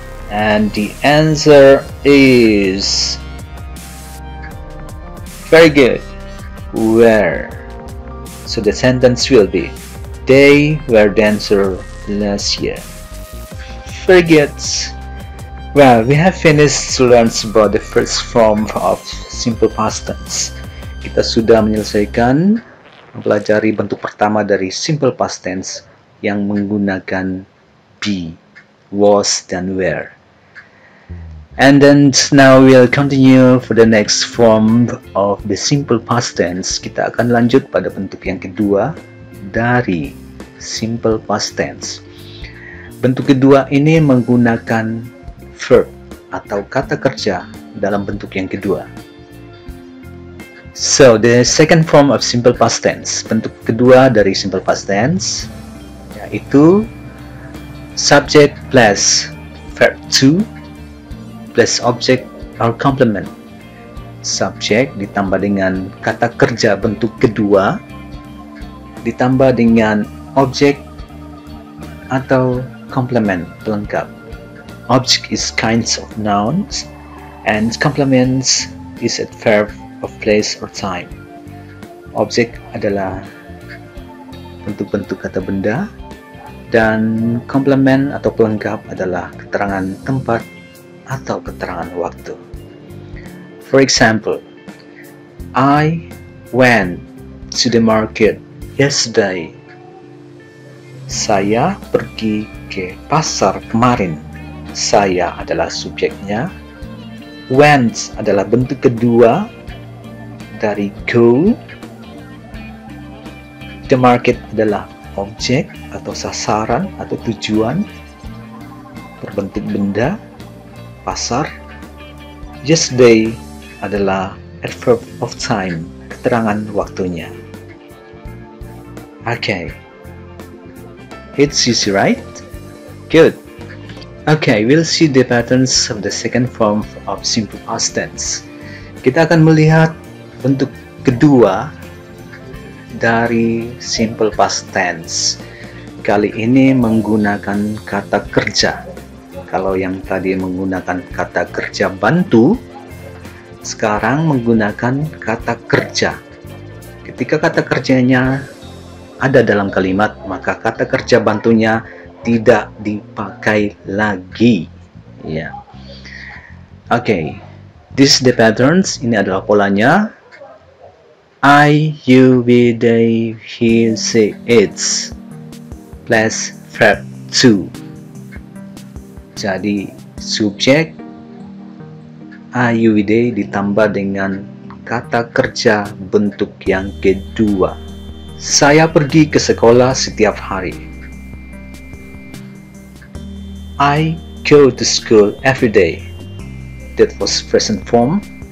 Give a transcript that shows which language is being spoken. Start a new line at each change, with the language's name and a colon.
English: And the answer is very good. Where? So the sentence will be, they were dancer last year. Very good. Well, we have finished to learn about the first form of simple past tense.
Indonesian: Kita sudah menyelesaikan mempelajari bentuk pertama dari simple past tense yang menggunakan be, was, dan were.
English: And then now we'll continue for the next form of the simple past tense.
Indonesian: Kita akan lanjut pada bentuk yang kedua dari simple past tense. Bentuk kedua ini menggunakan verb atau kata kerja dalam bentuk yang kedua.
English: So, the second form of simple past tense,
Indonesian: bentuk kedua dari simple past tense, yaitu
English: subject plus verb 2 plus object or complement.
Indonesian: Subject ditambah dengan kata kerja bentuk kedua ditambah dengan object atau complement pelengkap.
English: Object is kinds of nouns and complements is adverb of place or time.
Indonesian: Object adalah bentuk-bentuk kata benda dan komplement atau pelengkap adalah keterangan tempat atau keterangan waktu.
English: For example, I went to the market yesterday.
Indonesian: Saya pergi ke pasar kemarin. Saya adalah subjeknya. Went adalah bentuk kedua dari go. The market adalah objek atau sasaran atau tujuan berbentuk benda, pasar. Yesterday adalah adverb of time, keterangan waktunya.
English: Okay, it's easy, right? Good. Okay, we'll see the patterns of the second form of simple past tense.
Indonesian: Kita akan melihat bentuk kedua dari simple past tense. Kali ini menggunakan kata kerja. Kalau yang tadi menggunakan kata kerja bantu, sekarang menggunakan kata kerja. Ketika kata kerjanya ada dalam kalimat, maka kata kerja bantunya tidak dipakai lagi. Ya. Yeah. Okay.
English: This the patterns,
Indonesian: ini adalah polanya.
English: I, you, we, they, he, she, it, plus verb 2.
Indonesian: Jadi subjek I, you, we, they ditambah dengan kata kerja bentuk yang kedua. Saya pergi ke sekolah setiap hari.
English: I go to school every day. That was present form.